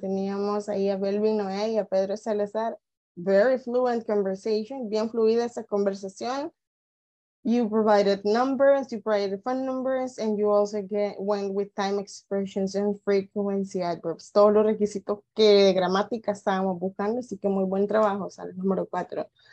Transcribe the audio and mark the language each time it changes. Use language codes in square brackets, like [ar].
[es] Teníamos ahí a Belvin Noé y a Pedro Salazar. [en] Very fluent conversation. [es] Bien fluida esa conversación. [en] You provided numbers, you provided phone numbers, and you also went with time expressions and frequency adverbs. [es] Todos los requisitos que de gramática estábamos buscando, así que muy buen trabajo, sala número 4.